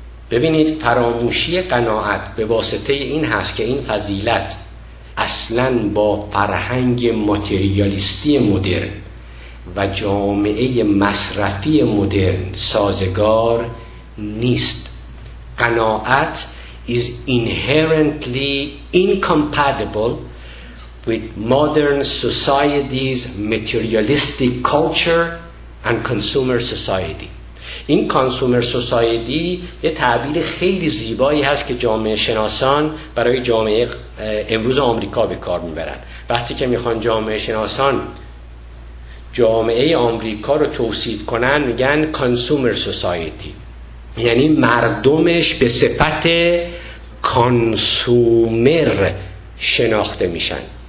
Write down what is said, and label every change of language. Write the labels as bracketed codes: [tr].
[fa] ببینید، فراموشی قناعت به واسطه این هست که این فضیلت اصلا با فرهنگ ماتریالیستی مدرن و جامعه مصرفی مدرن سازگار نیست. [en] قناعت is inherently incompatible with modern society's materialistic culture and consumer society. [fa] این کانسومر سوسایتی یه تعبیر خیلی زیبایی هست که جامعه شناسان برای جامعه امروز آمریکا به کار میبرن. وقتی که میخوان جامعه شناسان جامعه آمریکا رو توصیف کنن میگن کانسومر سوسایتی، یعنی مردمش به صفت کانسومر شناخته میشن.